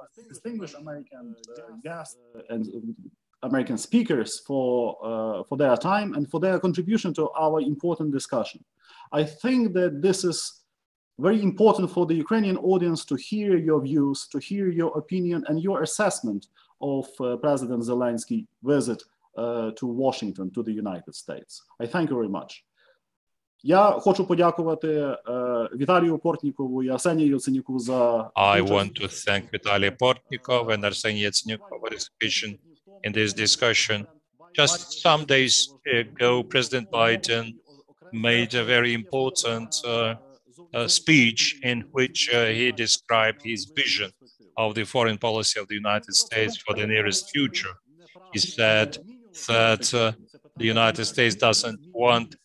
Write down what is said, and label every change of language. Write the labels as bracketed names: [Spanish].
[English] Distinguished American guests and American speakers for their time and for their contribution to our important discussion. I think that this is very important for the Ukrainian audience to hear your views, to hear your opinion and your assessment of President Zelensky's visit to Washington, to the United States. I thank you very much. [Ukrainian] Я хочу подякувати Віталію Портнікову і Арсенію Яценюку за [English] I want to thank Vitaly Portnikov and Arseniy Yatsenyuk for participation in this discussion. Just some days ago, President Biden made a very important speech in which he described his vision of the foreign policy of the United States for the nearest future. He said that the United States doesn't want